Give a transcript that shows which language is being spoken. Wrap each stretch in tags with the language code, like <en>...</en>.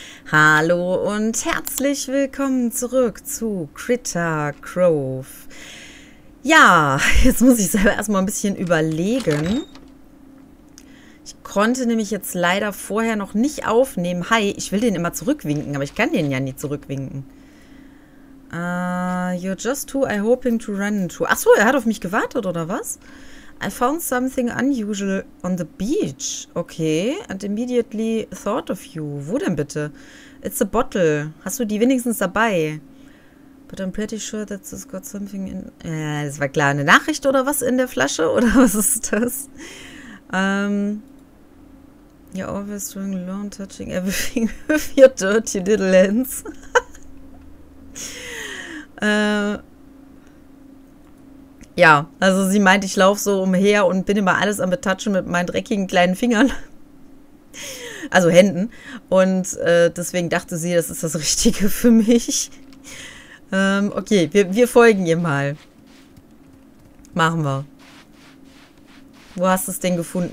<de>Hallo und herzlich willkommen zurück zu Critter Grove. Ja, jetzt muss ich selber erstmal ein bisschen überlegen. Ich konnte nämlich jetzt leider vorher noch nicht aufnehmen. Hi, ich will den immer zurückwinken, aber ich kann den ja nie zurückwinken.</de> <en>You're just who I hoping to run into.</en> <de>Ach so, er hat auf mich gewartet, oder was?</de> <en>I found something unusual on the beach. Okay, and immediately thought of you.</en> <de>Wo denn bitte?</de> <en>It's a bottle.</en> <de>Hast du die wenigstens dabei?</de> <en>But I'm pretty sure that it's got something in.</en> <de>Das war klar, eine Nachricht oder was in der Flasche? Oder was ist das?</de> <en>You're always doing lawn touching everything with your dirty little hands.</en> <de>Ja, also sie meint, ich laufe so umher und bin immer alles am Betatschen mit meinen dreckigen kleinen Fingern. Also Händen. Und deswegen dachte sie, das ist das Richtige für mich. Okay, wir folgen ihr mal. Machen wir. Wo hast du es denn gefunden?</de>